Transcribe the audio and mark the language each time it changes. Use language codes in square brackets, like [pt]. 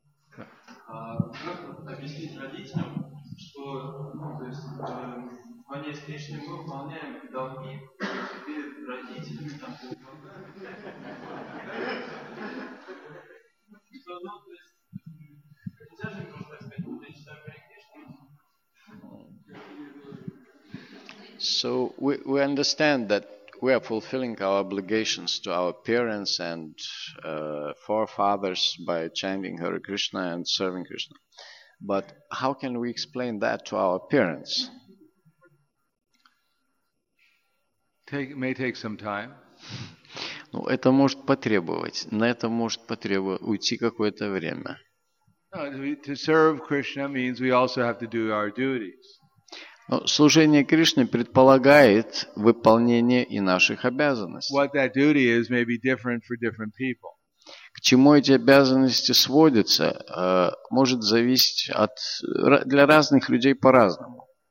[ru] Как объяснить родителям, что мы с Кришной выполняем долги перед родителями? Там, что, ну, то есть, нельзя же просто сказать, что речь о Харе Кришне. [en] So we understand that we are fulfilling our obligations to our parents and forefathers by chanting Hare Krishna and serving Krishna. But how can we explain that to our parents? May take some time. [ru] Ну, это может потребовать. На это может потребовать уйти какое-то время. [en] No, to serve Krishna means we also have to do our duties. [ru] Но служение Кришне предполагает выполнение и наших обязанностей. [en] What that duty is may be different for different people. [ru] К чему эти обязанности сводятся, может зависеть от для разных людей по-разному.